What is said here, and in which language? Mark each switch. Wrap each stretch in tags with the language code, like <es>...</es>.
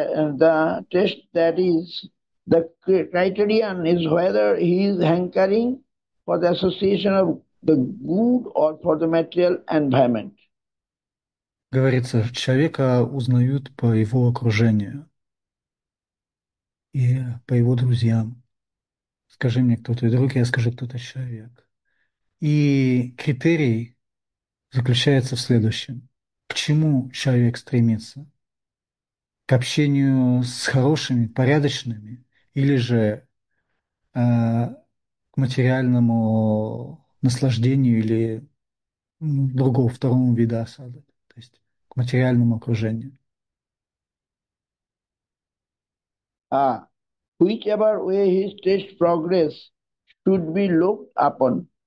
<en>the test that is the criterion is whether he is hankering for the association of the good or for the material environment.</en> <ru>Говорится, человека узнают по его окружению и по его друзьям. Скажи мне, кто твой друг, я скажу, кто ты человек. И критерий заключается в следующем. К чему человек стремится? К общению с хорошими, порядочными, или же к материальному наслаждению или другому, второму виду осады? То есть к материальному окружению.</ru> <en>Whichever way his test progress should be looked upon.</en>